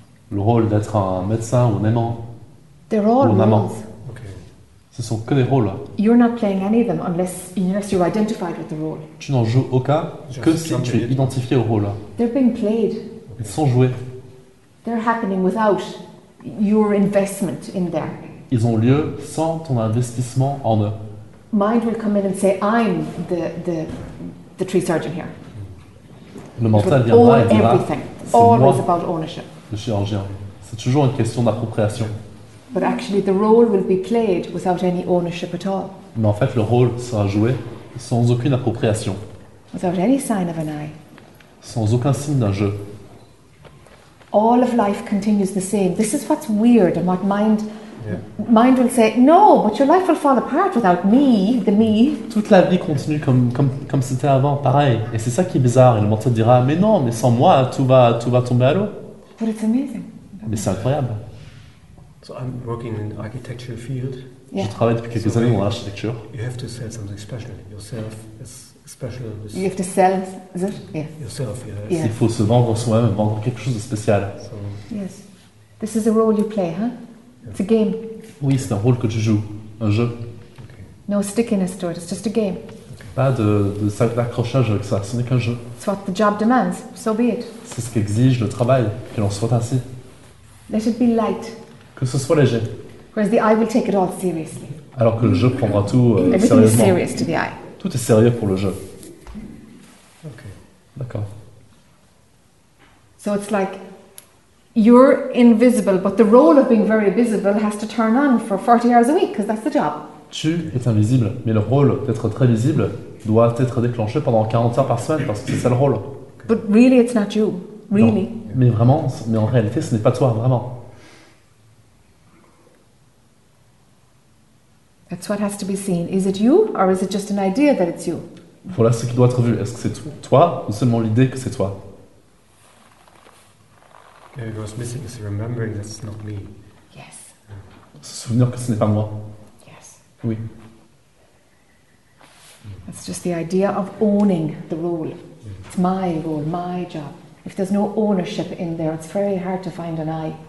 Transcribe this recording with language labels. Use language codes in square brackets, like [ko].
[fr] Le rôle d'être un médecin ou un aimant. [en] They're all [fr] ou un [en] roles. [fr] Amant. [en] Okay. [fr] Ce sont que des rôles. [en] You're not playing any of them unless you're identified with the role. [fr] Tu n'en joues aucun que si tu es identifié au rôle. [en] They're being played. [fr] Ils sont joués. [en] They're happening without your investment in there. [fr] Ils ont lieu sans ton investissement en eux. [en] Mind will come in and say, I'm the tree surgeon here. [fr] Le mental viendra et dira, [en] always about ownership. [fr] Le chirurgien. C'est toujours une question d'appropriation. [en] But actually, the role will be played without any ownership at all. [fr] Mais en fait, le rôle sera joué sans aucune appropriation. [en] Without any sign of an eye. [fr] Sans aucun signe d'un jeu. [en] All of life continues the same. This is what's weird and what mind. Yeah. Mind will say no, but your life will fall apart without me, the me. [fr] Toute la vie continue comme c'était avant, pareil. Et c'est ça qui est bizarre. Et le mental dira, mais non, mais sans moi, tout va tomber à l'eau. [en] But it's amazing. [fr] Mais c'est incroyable. [en] So I'm working in architecture field. Yeah. [fr] Je travaille depuis quelques années dans l'architecture. [en] You have to sell something special yourself. It's special. You have to sell it. Yeah. Yourself. Yeah. Yes. [fr] Il faut se vendre soi-même, vendre quelque chose de spécial. [en] So. Yes, this is a role you play, huh? It's a game. [fr] Oui, c'est un rôle que tu joues, un jeu. [en] Okay. No stickiness to it. It's just a game. Okay. [fr] Pas de d'accrochage avec ça. Ce n'est qu'un jeu. [en] It's what the job demands. So be it. [fr] C'est ce qu'exige le travail, que l'on soit ainsi. [en] Let it be light. [fr] Que ce soit léger. [en] Whereas the eye will take it all seriously. [fr] Alors que le jeu prendra tout sérieusement. [en] Everything is serious to the eye. [fr] Tout est sérieux pour le jeu. [en] Okay. [fr] D'accord. [en] So it's like. You're invisible, but the role of being very visible has to turn on for 40 hours a week, because that's the job. [fr] Tu es invisible, mais le rôle d'être très visible doit être déclenché pendant 40 heures par semaine, parce que c'est ça le rôle. [en] But really, it's not you. Really. [fr] Non. Mais vraiment, mais en réalité, ce n'est pas toi, vraiment. [en] That's what has to be seen. Is it you, or is it just an idea that it's you? [fr] Voilà ce qui doit être vu. Est-ce que c'est toi, ou seulement l'idée que c'est toi? [en] Maybe what's missing is remembering that it's not me. Yes. [fr] Se souvenir que ce n'est pas moi. [en] Yes. [fr] Oui. [en] That's just the idea of owning the role. Mm-hmm. It's my role, my job. If there's no ownership in there, it's very hard to find an I.